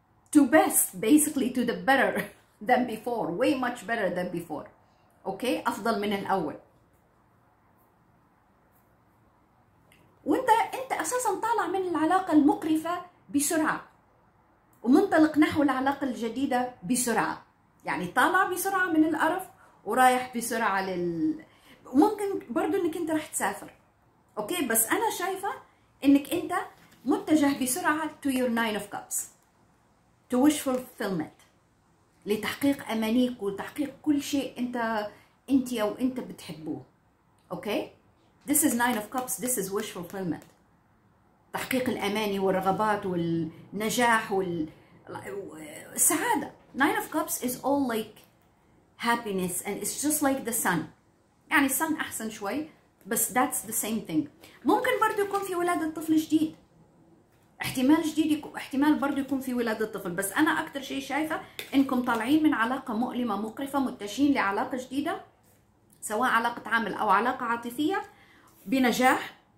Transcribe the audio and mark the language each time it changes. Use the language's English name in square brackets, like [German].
[English] to best, basically to the better than before, way much better than before. [Arabic] اوكي افضل من الاول. وانت اساسا طالع من العلاقة المقرفة بسرعة ومنطلق نحو العلاقة الجديدة بسرعة، يعني طالع بسرعة من القرف ورايح بسرعة وممكن برضو انك انت راح تسافر. اوكي بس انا شايفة انك انت متجه بسرعة [English] to your nine of cups to wish fulfillment، [Arabic] لتحقيق امانيك وتحقيق كل شيء انت او انت بتحبوه. [English] okay this is nine of cups, this is wish fulfillment، [Arabic] تحقيق الاماني والرغبات والنجاح والسعادة. [English] nine of cups is all like happiness and it's just like the sun، [Arabic] يعني sun احسن شوي بس [English] that's the same thing. [Arabic] ممكن برضو يكون في ولادة طفل جديد، احتمال جديد احتمال برضو يكون في ولادة طفل، بس انا اكتر شيء شايفة انكم طالعين من علاقة مؤلمة مقرفة متجهين لعلاقة جديدة، سواء علاقة عمل او علاقة عاطفية بنجاح.